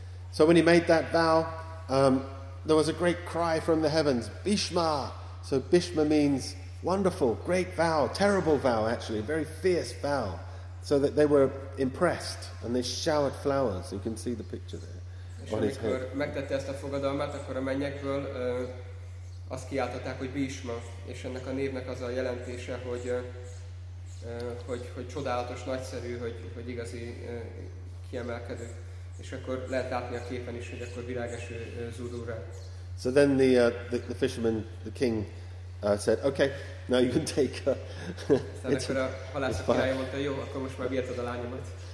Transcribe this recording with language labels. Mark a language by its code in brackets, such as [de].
[en] So when he made that vow, there was a great cry from the heavens, Bhishma! So Bhishma means wonderful, great vow, terrible vow actually, a very fierce vow. So that they were impressed and they showered flowers. You can see the picture there. [hu] És on amikor megtette ezt a fogadalmat, akkor a mennyekről azt kiáltották, hogy Bhishma. És ennek a névnek az a jelentése, hogy csodálatos, nagyszerű, hogy igazi kiemelkedő, és akkor lehet látni a képen is, hogy akkor virágeső zúdul rá. [en] So then the fisherman, the king said, okay, now you can take her. [hu] Aztán akkor a halász királya mondta, jó, akkor most már vihetod a lányomat.